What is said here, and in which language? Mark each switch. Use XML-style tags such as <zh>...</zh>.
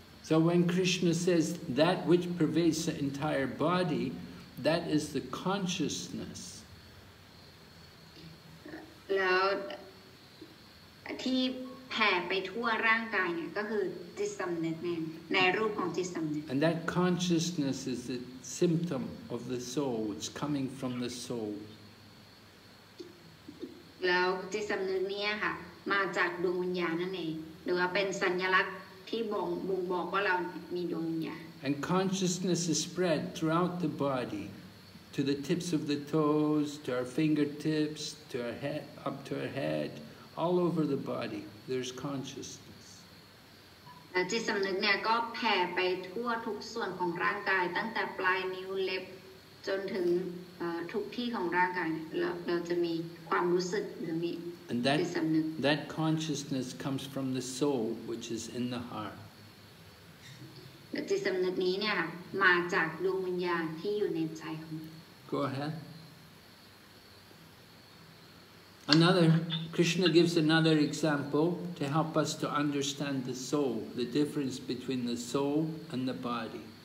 <en>So when Krishna says that which pervades the entire body that is the consciousness</en> <th>แล้วที่แผ่ไปทั่วร่างกายเนี่ยก็คือจิตสำนึกเนี่ยในรูปของจิตสำนึก</th> <en>And that consciousness is the symptom of the soul it's coming from the soul</en> <th>แล้วจิตสำนึกเนี่ยค่ะมาจากดวงวิญญาณนั่นเองหรือว่าเป็นสัญลักษณ์ที่บ่งบอกว่าเรามีดวงวิญญาณ</th> <en>And consciousness is spread throughout the body to the tips of the toes to our fingertips to our head up to our head all over the body there's consciousness</en> <th>จิตสำนึกเนี่ยก็แผ่ไปทั่วทุกส่วนของร่างกายตั้งแต่ปลายนิ้วเล็บจนถึงทุกที่ของร่างกายเราจะมีความรู้สึกหรือมีจิตสำนึก</th> <en>And that consciousness comes from the soul which is in the heart</en> <th>จิตสำนึกนี้เนี่ยมาจากดวงวิญญาณที่อยู่ในใจของ</th> <en>Go aheadAnother, Krishna gives another example to help us to understand the soul, the difference between the soul and the body.</en>